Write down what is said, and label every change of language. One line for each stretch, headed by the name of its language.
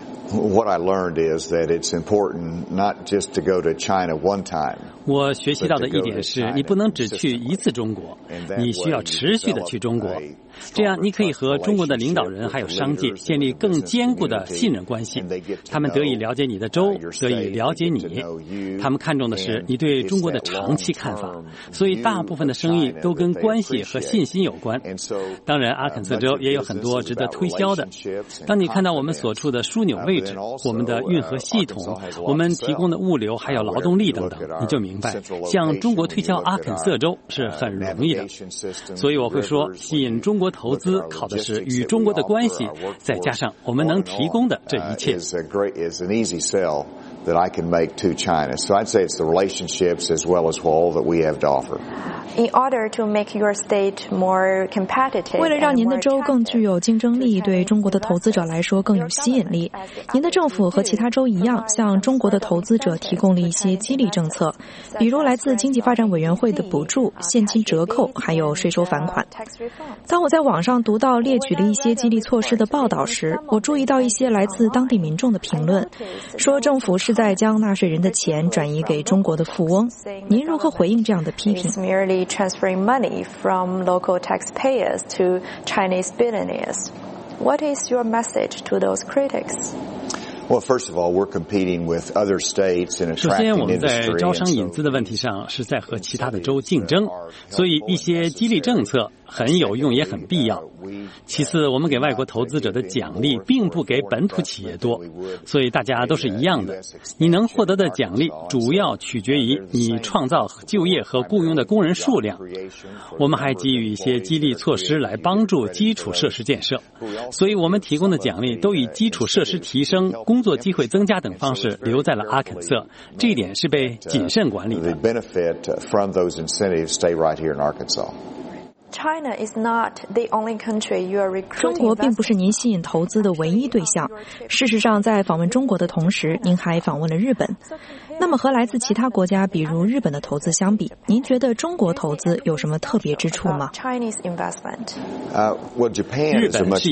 English: What I learned is that it's important not just to go to China one time.
Chinese: 我学习到的一点是，你不能只去一次中国，你需要持续的去中国，这样你可以和中国的领导人还有商界建立更坚固的信任关系，他们得以了解你的州，得以了解你，他们看重的是你对中国的长期看法，所以大部分的生意都跟关系和信心有关。当然阿肯色州也有很多值得推销的，当你看到我们所处的枢纽位置，我们的运河系统，我们提供的物流还有劳动力等等，你就明白向中国推销阿肯色州是很容易的。所以我会说，吸引中国投资靠的是与中国的关系，再加上我们能提供的这一切。
English: Is an easy sell that I can make to China. So I'd say it's the relationships as well as all that we have to offer. In order to make your state more competitive,
Chinese: 为了让您的州更具有竞争力，对中国的投资者来说更有吸引力，您的政府和其他州一样，向中国的投资者提供了一些激励政策，比如来自经济发展委员会的补助、现金折扣，还有税收返款。当我在网上读到列举了一些激励措施的报道时，我注意到一些来自当地民众的评论，说政府是在将纳税人的钱转移给中国的富翁。您如何回应这样的批评？
English: It's merely transferring money from local taxpayers to Chinese billionaires. What is your message to those critics? Well, first of all, we're competing with other states in attracting industry.
Chinese: 首先，我们在招商引资的问题上是在和其他的州竞争，所以一些激励政策很有用，也很必要。其次，我们给外国投资者的奖励并不给本土企业多，所以大家都是一样的。你能获得的奖励主要取决于你创造就业和雇佣的工人数量。我们还给予一些激励措施来帮助基础设施建设，所以我们提供的奖励都以基础设施提升、工作机会增加等方式留在了阿肯色，这一点是被谨慎管理的。
English: Benefit from those incentives stay right here in Arkansas. China is not the only country you are recruiting.
Chinese: 中国并不是您吸引投资的唯一对象。事实上，在访问中国的同时，您还访问了日本。那么，和来自其他国家，比如日本的投资相比，您觉得中国投资有什么特别之处吗？
English: Chinese investment. Well, Japan is a much